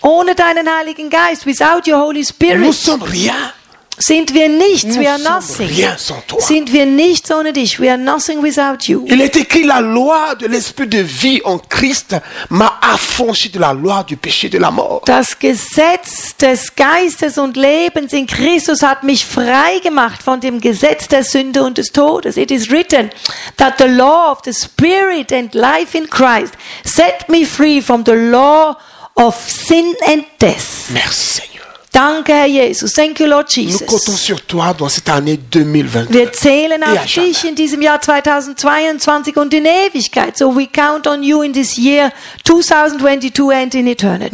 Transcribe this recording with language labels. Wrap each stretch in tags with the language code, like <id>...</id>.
<de>ohne deinen Heiligen Geist,</de> <en>without your Holy Spirit,</en> <fr>nous sommes rien.</fr> <de>Sind wir nichts,</de> <fr>nous</fr> <en>we are nothing.</en> <fr>Rien sans toi.</fr> <de>Sind wir nichts ohne dich,</de> <en>we are nothing without you.</en> <fr>Il est écrit la loi de l'esprit de vie en Christ m'a affranchi de la loi du péché de la mort.</fr> <de>Das Gesetz des Geistes und Lebens in Christus hat mich frei gemacht von dem Gesetz der Sünde und des Todes.</de> <en>It is written that the law of the Spirit and life in Christ set me free from the law of sin and death.</en> <fr>Merci Seigneur.</fr> <de>Danke, Herr Jesus.</de> <en>Thank you, Lord Jesus.</en> <fr>Nous comptons sur toi dans cette année 2022.</fr> <de>Wir zählen auf dich in diesem Jahr 2022 und in Ewigkeit.</de> <en>So we count on you in this year 2022 and in eternity.</en>